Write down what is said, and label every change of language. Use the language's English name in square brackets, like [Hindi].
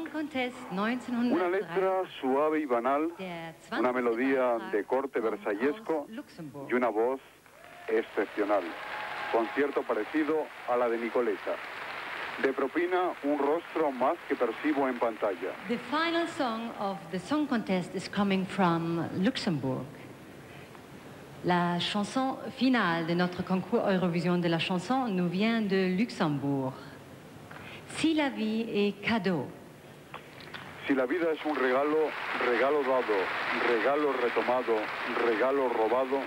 [Spanish] Una letra suave y banal, una melodía de corte versallesco y una voz excepcional. Concierto parecido a la de Nicoleta. De propina, un rostro más que percibo en pantalla. [English] The final song of the song contest is coming from Luxembourg. [French] La chanson finale de notre concours Eurovision de la chanson nous vient de Luxembourg. Si la vie est cadeau. [Spanish] Si la vida es un regalo, regalo dado, regalo retomado, regalo robado.